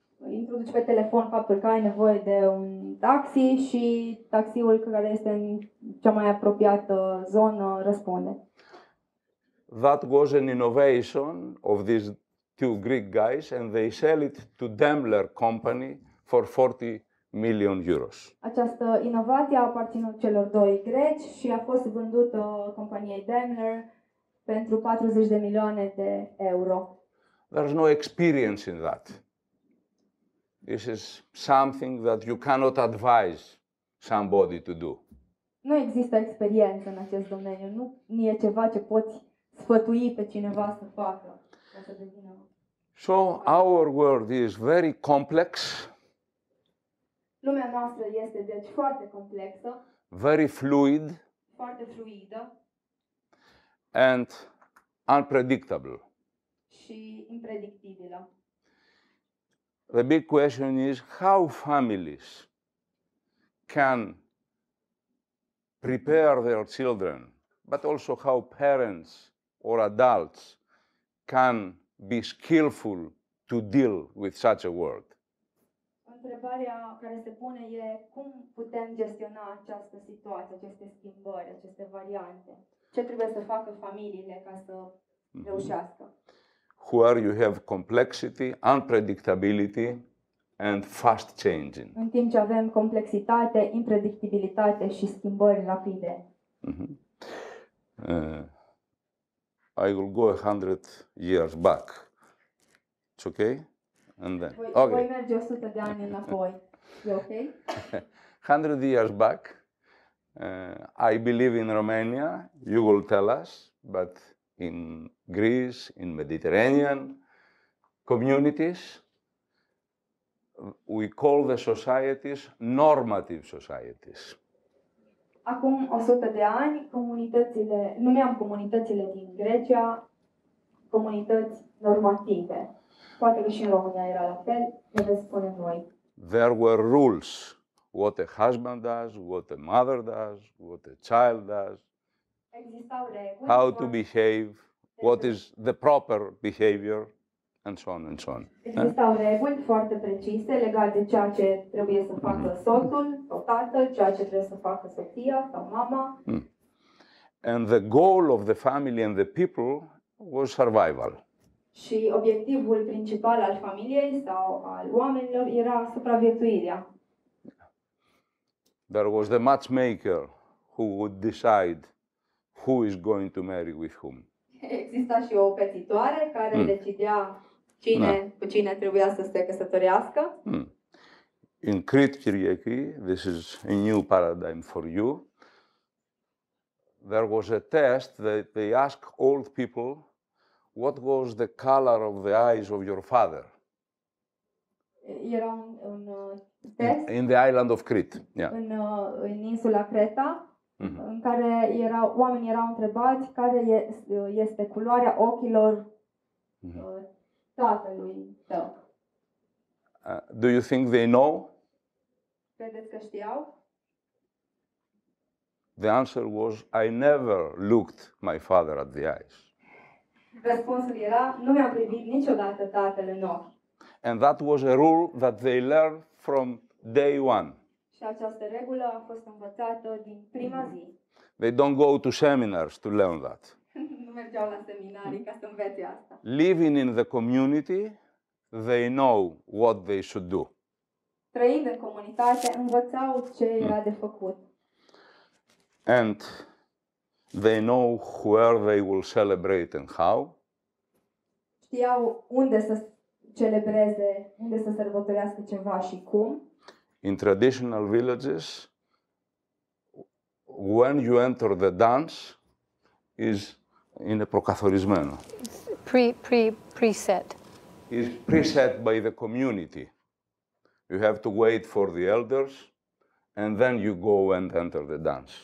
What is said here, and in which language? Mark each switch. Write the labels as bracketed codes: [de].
[ro] Introduci pe telefon faptul că ai nevoie de un taxi și taxiul care este în cea mai apropiată zonă răspunde. [en] That was an innovation of these two Greek guys and they sell it to Daimler company for 40 million euros. [ro] Această inovație a aparținut celor doi greci și a fost vândută companiei Daimler pentru 40 de milioane de euro. [en] There's no experience in that. This is something that you cannot advise somebody to do. [ro] Nu există experiență în acest domeniu, nu e ceva ce poți sfătui pe cineva să facă, ca să devină. [en] So our world is very complex. [ro] Lumea noastră este deci foarte complexă. [en] Very fluid. [ro] Foarte fluidă. [en] And unpredictable. [ro] Și impredictibilă. [en] The big question is how families can prepare their children, but also how parents or adults can be skillful to deal with such a world. [ro] Întrebarea care se pune e cum putem gestiona această situație, aceste schimbări, aceste variante. Ce trebuie să facă familiile ca să reușească? [en] Where you have complexity, unpredictability, and fast changing. [ro] În timp ce avem complexitate, impredictibilitate și schimbări rapide. [en] I will go 100 years back. It's okay? And then. [ro] Okay. Voi merge 100 de ani înapoi. E okay? [en] 100 years back. I believe in Romania, you will tell us, but in Greece, in Mediterranean communities, we call the societies normative societies. [ro] Acum 100 de ani, comunitățile, numeam comunitățile din Grecia, comunități normative. Poate că și în România era la fel, ne vezi spune noi. [en] There were rules. What a husband does, what a mother does, what a child does. [ro] Existau reguli. [en] How to behave. What is the proper behavior, and so on and so on. [ro] Existau reguli foarte precise legate de ceea ce trebuie să facă soțul sau tatăl, ceea ce trebuie să facă soția sau mama. [en] And the goal of the family and the people was survival. [ro] Și obiectivul principal al familiei sau al oamenilor era supraviețuirea. [en] There was the matchmaker who would decide who is going to marry with whom. [ro] Exista și o petitoare care decidea cine, cu cine trebuia să se căsătorească. [en] In Crete, Kyriaki, this is a new paradigm for you. There was a test that they asked old people, what was the color of the eyes of your father? [ro] Era un test. [en] In the island of Crete. Yeah. [ro] În insula Creta. Mm-hmm. În care erau, oamenii erau întrebați care este culoarea ochilor tatălui tău. [en] Do you think they know? [ro] Credeți că știau? [en] The answer was, I never looked my father at the eyes. [ro] Răspunsul era, nu mi-am privit niciodată tatăl în ochi. [en] And that was a rule that they learned from day one. [ro] Și această regulă a fost învățată din prima zi. [en] They don't go to seminars to learn that. [ro] Nu mergeau la seminarii ca să învețe asta. [en] Living in the community, they know what they should do. [ro] Trăind în comunitate, învățau ce era de făcut. [en] And they know where they will celebrate and how. [ro] Știau unde să celebreze, unde să sărbătorească ceva și cum. [en] In traditional villages, when you enter the dance, is in a προκαθορισμένο. Preset. Is preset by the community. You have to wait for the elders, and then you go and enter the dance.